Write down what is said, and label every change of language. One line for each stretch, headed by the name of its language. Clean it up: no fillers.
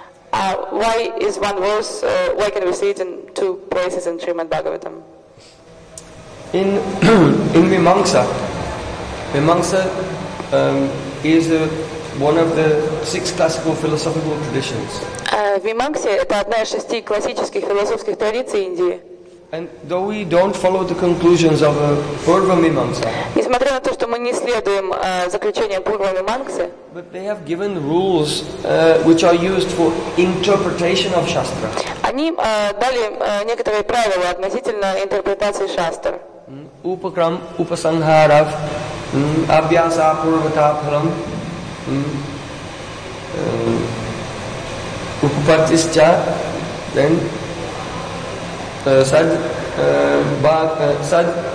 English: Why is one verse, why can we see it in two places in Srimad Bhagavatam? In Mimamsa, is one of the six classical philosophical traditions.
Russian: Mimamsa – это одна из шести классических философских традиций Индии.
English: And though we don't follow the conclusions of a Purva Mimamsa,
Russian: несмотря на то, что мы не следуем заключениям Пурва Мимамсы,
English: but they have given rules which are used for interpretation of Shastra.
Russian: Они дали некоторые правила относительно интерпретации шастр.
Sanskrit: Упакрам, упасанхарав, абьяса апурватапхарам, упупартисча,
English: then sad bhag sad